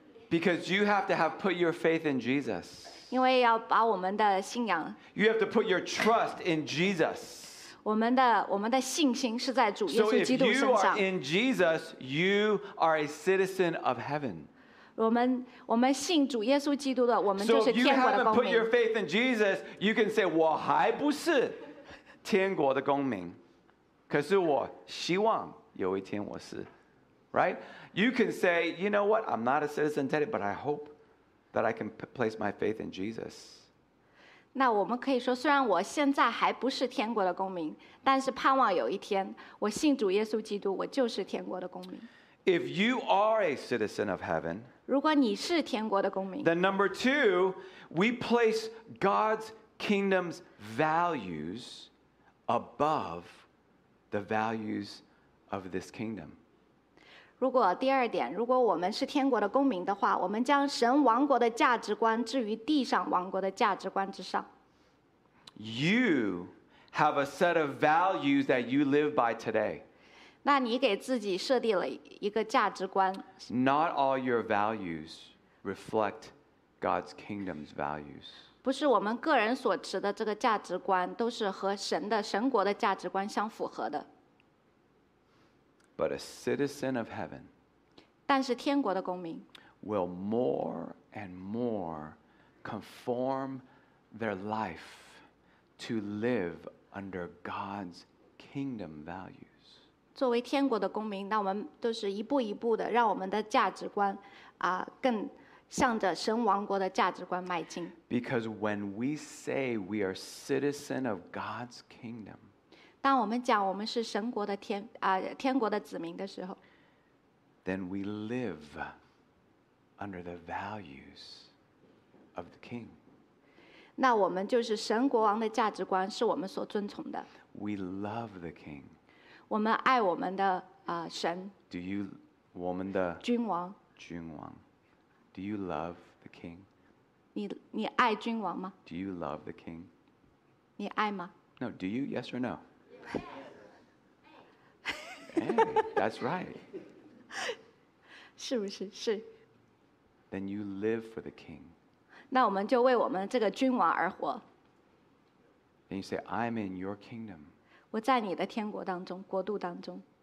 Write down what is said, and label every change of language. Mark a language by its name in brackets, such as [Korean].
[English] Because you have to have put your faith in Jesus. [Chinese] 因为要把我们的信仰。 [English] You have to put your trust in Jesus. [Chinese] 我们的信心是在主耶稣基督身上。 [English] So if you are in Jesus, you are a citizen of heaven. [Chinese] 我们信主耶稣基督的，我们就是天国的公民。 [English] So if you haven't put your faith in Jesus, you can say [Chinese] 我还不是天国的公民，可是我希望有一天我是 [English] ，right? You can say, you know what? I'm not a citizen today, but I hope that I can place my faith in Jesus. [Chinese] 那我们可以说，虽然我现在还不是天国的公民，但是盼望有一天，我信主耶稣基督，我就是天国的公民。 [English] If you are a citizen of heaven, [Chinese] 如果你是天国的公民 [English] then number two, we place God's kingdom's values above the values of this kingdom. [Chinese] 如果第二点，如果我们是天国的公民的话，我们将神王国的价值观置于地上王国的价值观之上。 [English] You have a set of values that you live by today. [Chinese] 那你给自己设定了一个价值观。 [English] Not all your values reflect God's kingdom's values. [Chinese] 不是我们个人所持的这个价值观都是和神的神国的价值观相符合的。 [English] But a citizen of heaven [Chinese] 但是天国的公民 [English] will more and more conform their life to live under God's kingdom values. [Chinese] 作为天国的公民，那我们都是一步一步的，让我们的价值观，更向着神王国的价值观迈进。 [English] Because when we say we are citizen of God's kingdom, [Chinese] 当我们讲我们是神国的天国的子民的时候 [English] ，then we live under the values of the King. [Chinese] 那我们就是神国王的价值观是我们所遵从的。 [English] We love the King. [Chinese] 我们爱我们的神。 [English] Do you, [Chinese] 我们的君王。君王。 [English] Do you love the king? [Chinese] 你爱君王吗 [English] ？Do you love the king? [Chinese] 你爱吗 [English] ？No. Do you? Yes or no? That's right. [Chinese] 是不是是 [English] ？Then you live for the king. [Chinese] 那我们就为我们这个君王而活。 [English] Then you say, "I'm in your kingdom." [Chinese] 我在你的天国当中，国度当中。